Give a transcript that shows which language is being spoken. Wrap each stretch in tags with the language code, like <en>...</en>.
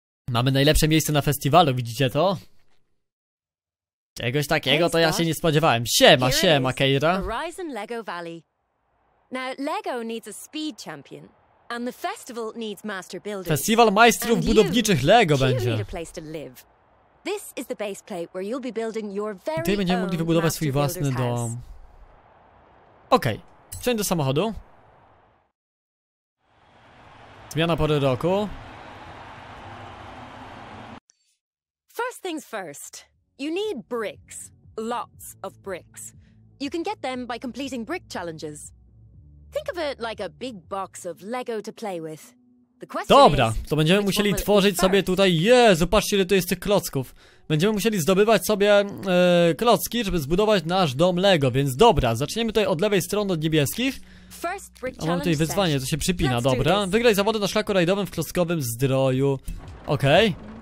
<pl>Mamy najlepsze miejsce na festiwalu, widzicie to? Czegoś takiego to ja się nie spodziewałem. Siema, siema, Keira. Horizon Lego Valley.</pl> <en>Now Lego needs a speed champion. And the festival needs master builders.</en> <pl>Festiwal majstrów budowniczych Lego będzie.</pl> <en>This is the base plate where you'll be building your very own.</en> <pl>Ty będziesz mogli wybudować swój własny dom. Okej. Okay. Wsiądź do samochodu. Zmiana pory roku.</pl> <en>First things first. You need bricks. Lots of bricks. You can get them by completing brick challenges. Think of it like a big box of Lego to play with.</en> <pl>Dobra, to będziemy musieli tworzyć sobie tutaj. Jezu, patrzcie, ile to jest tych klocków. Będziemy musieli zdobywać sobie klocki, żeby zbudować nasz dom Lego. Więc dobra, zaczniemy tutaj od lewej strony, od niebieskich. A mam tutaj wyzwanie, to się przypina, dobra. Wygraj zawody na szlaku rajdowym w klockowym zdroju. Okej.</pl>